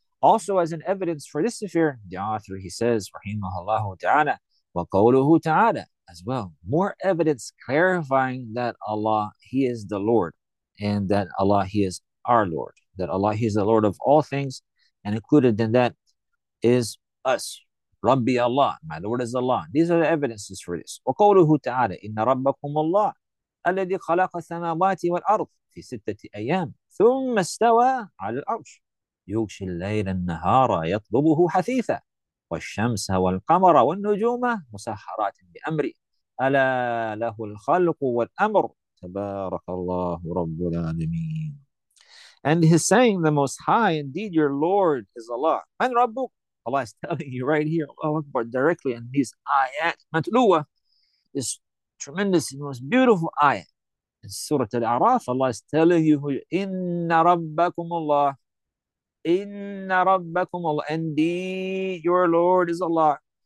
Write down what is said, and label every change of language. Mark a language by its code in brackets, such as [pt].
[en] Also, as an evidence for this affair, the author, he says, Rahimahullah ta'ala, [ar] wa qawluhu ta'ala, [en] as well. More evidence clarifying that Allah, he is the Lord, and that Allah, he is our Lord, that Allah, he is the Lord of all things, and included in that is us. [ar] Rabbi Allah, [en] my Lord is Allah. These are the evidences for this. [ar] Wa qawluhu ta'ala, inna rabbakum Allah, الذي خلق السماوات والأرض في ستة أيام ثم استوى على العرش يغشي الليل النهار يطلبه حثيثا والشمس والقمر والنجوم مسخرات بأمره ألا له الخلق والأمر تبارك الله رب العالمين. [en] And he's saying, the Most High, indeed your Lord is Allah. [ar] من ربك? [en] Allah is telling you right here, Allahu Akbar, directly in these ayat matluwa, this tremendous and most beautiful ayah in Surah Al-A'raf. Allah is telling you, [ar] Inna Rabbakum Allah, Inna Rabbakum Allah, [en] indeed your Lord is Allah.